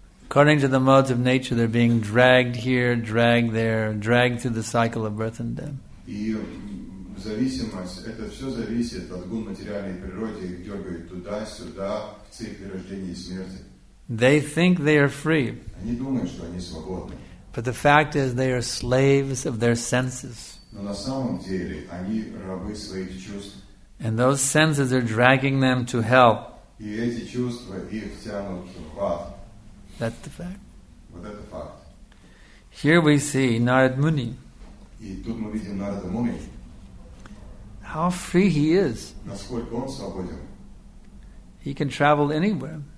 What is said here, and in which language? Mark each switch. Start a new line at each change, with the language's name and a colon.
English: According to the modes of nature, they're being dragged here, dragged there, dragged through the cycle of birth and death.
Russian: И зависимость, это все зависит от гун материальной природы, их дергают туда-сюда в цикле рождения и смерти.
English: They think they are free.
Russian: Они думают, что они свободны.
English: But the fact is, they are slaves of their senses.
Russian: Но на самом деле они рабы своих чувств.
English: And those senses are dragging them to hell.
Russian: И эти чувства их тянут в ад.
English: That's the fact.
Russian: Вот это факт.
English: Here we see Narad Muni.
Russian: И тут мы видим Нарада Муни.
English: How free he is.
Russian: Насколько он свободен.
English: He can travel anywhere.